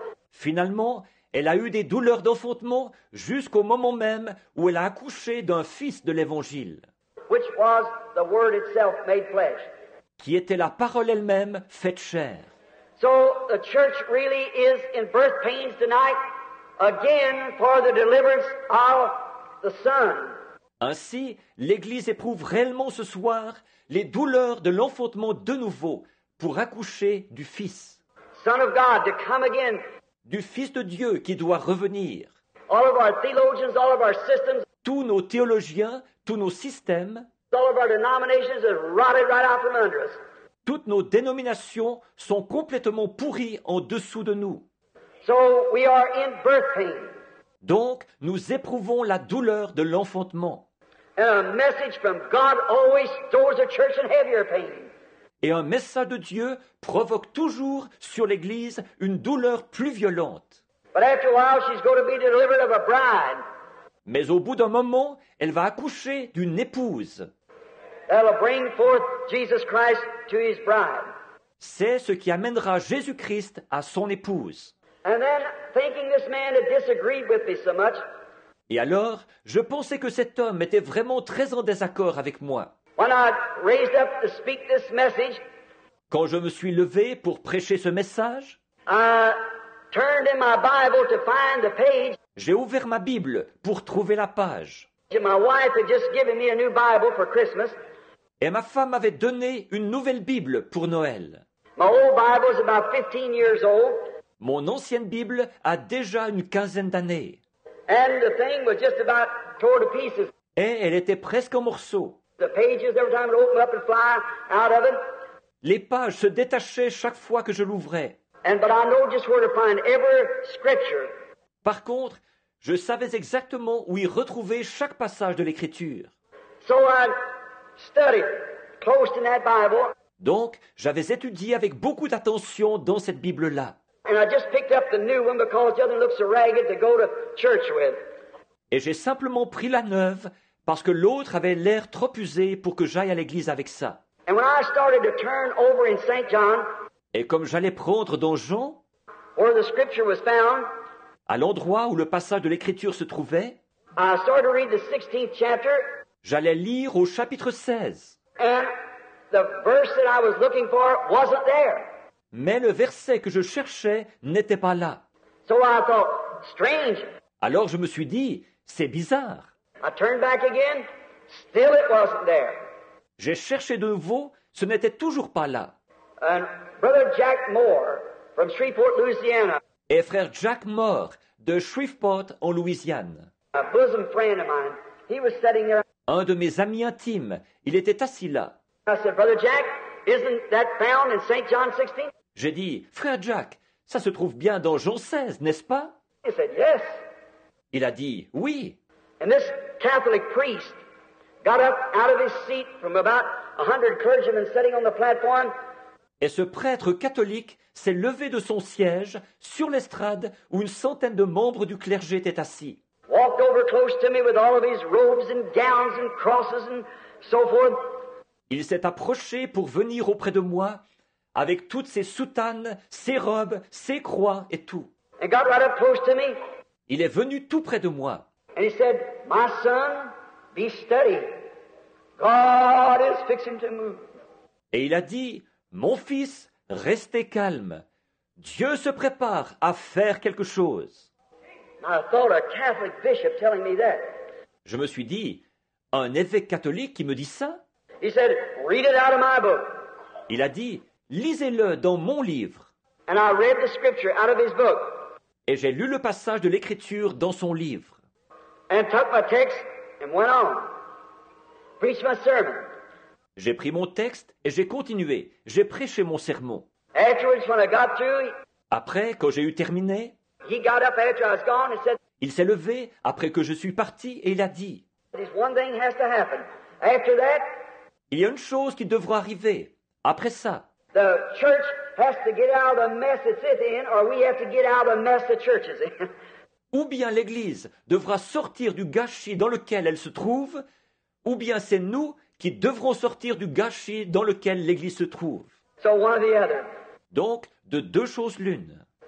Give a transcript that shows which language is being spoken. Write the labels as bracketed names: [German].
[French] Finalement, elle a eu des douleurs d'enfantement jusqu'au moment même où elle a accouché d'un fils de l'Évangile, [English] which was the word itself made flesh. [French] Qui était la parole elle-même faite chair. [English] So the church really is in birth pains tonight again for the deliverance of the Son. [French] Ainsi, l'Église éprouve réellement ce soir les douleurs de l'enfantement de nouveau pour accoucher du Fils. [English] Son of God to come again. [French] Du Fils de Dieu qui doit revenir. [English] All of our theologians, all of our systems. [French] Tous nos théologiens, tous nos systèmes. [English] All of our denominations are rotted right out from under us. [French] Toutes nos dénominations sont complètement pourries en dessous de nous. [English] So we are in birth pain. [French] Donc, nous éprouvons la douleur de l'enfantement. [English] And a message from God always throws the church in heavier pain. [French] Et un message de Dieu provoque toujours sur l'Église une douleur plus violente. [English] But after a while, she's going to be delivered of a bride. [French] Mais au bout d'un moment, elle va accoucher d'une épouse. [English] That'll bring forth Jesus Christ to his bride. [French] C'est ce qui amènera Jésus-Christ à son épouse. [English] And then, thinking this man had disagreed with me so much, [French] et alors, je pensais que cet homme était vraiment très en désaccord avec moi. [English] When I raised up to speak this message, [French] quand je me suis levé pour prêcher ce message, [English] I turned in my Bible to find the page. [French] J'ai ouvert ma Bible pour trouver la page. [English] My wife had just given me a new Bible for Christmas. [French] Et ma femme m'avait donné une nouvelle Bible pour Noël. [English] My old Bible is about 15 years old. [French] Mon ancienne Bible a déjà une quinzaine d'années. [English] And the thing was just about torn to pieces. [French] Et elle était presque en morceaux. [English] The pages every time it opened up and fly out of it. [French] Les pages se détachaient chaque fois que je l'ouvrais. [English] And but I know just where to find every scripture. [French] Par contre, je savais exactement où y retrouver chaque passage de l'Écriture. [English] So I studied close in that Bible. [French] Donc, j'avais étudié avec beaucoup d'attention dans cette Bible-là. [English] And I just picked up the new one because the other looks so ragged to go to church with. [French] Et j'ai simplement pris la neuve parce que l'autre avait l'air trop usé pour que j'aille à l'église avec ça. [English] And when I started to turn over in St. John, [French] et comme j'allais prendre dans Jean, [English] where the scripture was found, [French] à l'endroit où le passage de l'Écriture se trouvait, [English] I started to read the 16th chapter, [French] j'allais lire au chapitre 16. [English] And the verse that I was looking for wasn't there. [French] Mais le verset que je cherchais n'était pas là. [English] So I thought, strange. [French] Alors je me suis dit, c'est bizarre. [English] I turned back again, still it wasn't there. [French] J'ai cherché de nouveau, ce n'était toujours pas là. [English] And Brother Jack Moore from Shreveport, Louisiana. [French] Et frère Jack Moore de Shreveport en Louisiane. [English] A bosom friend of mine, he was sitting there. [French] Un de mes amis intimes, il était assis là. [English] I said, Brother Jack, isn't that found in St. John 16? [French] J'ai dit, frère Jack, ça se trouve bien dans Jean 16, n'est-ce pas? [English] He said, yes. [French] Il a dit, oui. [English] And this Catholic priest got up out of his seat from about 100 clergymen sitting on the platform. [French] Et ce prêtre catholique s'est levé de son siège sur l'estrade où une centaine de membres du clergé étaient assis. [English] Walked over close to me with all of his robes and gowns and crosses and so forth. [French] Il s'est approché pour venir auprès de moi avec toutes ses soutanes, ses robes, ses croix et tout. [English] And got right up close to me. [French] Il est venu tout près de moi. [English] And he said, my son, be steady. God is fixing to move. [French] Et il a dit, mon fils, restez calme. Dieu se prépare à faire quelque chose. [English] I thought a Catholic bishop telling me that. [French] Je me suis dit, un évêque catholique qui me dit ça? [English] He said, read it out of my book. [French] Il a dit, lisez-le dans mon livre. [English] And I read the scripture out of his book. [French] Et j'ai lu le passage de l'Écriture dans son livre. [English] And took my text and went on. preach my sermon. [French] J'ai pris mon texte et j'ai continué. J'ai prêché mon sermon. [English] Afterwards, when I got through, [French] après, quand j'ai eu terminé, [English] he got up after I was gone and said, [French] il s'est levé après que je suis parti et il a dit, [English] this one thing has to happen. After that, [French] il y a une chose qui devra arriver. Après ça, [English] the church has to get out of the mess it's in, or we have to get out of the mess the church is in. [French] Ou bien l'Église devra sortir du gâchis dans lequel elle se trouve, ou bien c'est nous qui devrons sortir du gâchis dans lequel l'Église se trouve. [English] So one or the other. [French] Donc, de deux choses l'une.